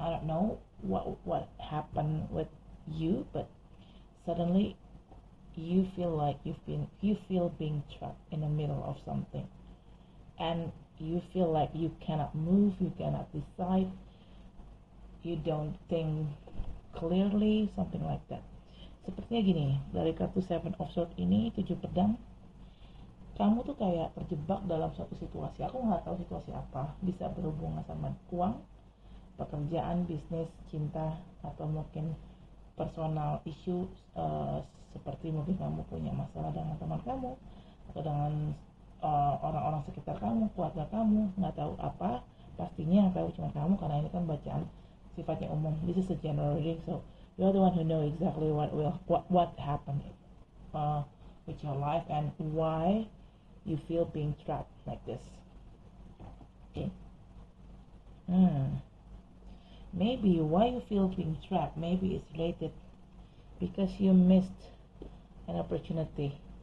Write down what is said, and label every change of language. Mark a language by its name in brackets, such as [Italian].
[English] I don't know what happened with you, but suddenly you feel like you feel being trapped in the middle of something, and you feel like you cannot move, you cannot decide, you don't think clearly, something like that. [Indonesian] Sepertinya gini, dari kartu Seven of Swords ini, tujuh pedang, kamu tuh kayak terjebak dalam suatu situasi. Aku nggak tahu situasi apa, bisa berhubungan sama uang, pekerjaan, bisnis, cinta, atau mungkin personal issue, seperti mungkin kamu punya masalah dengan teman kamu atau dengan orang-orang sekitar kamu, keluarga kamu, nggak tahu apa. Pastinya yang tahu cuma kamu karena ini kan bacaan sifatnya umum. [English] This is a general reading, so you're the one who know exactly what happened with your life and why you feel being trapped like this. Okay. Maybe why you feel being trapped, maybe it's related because you missed an opportunity.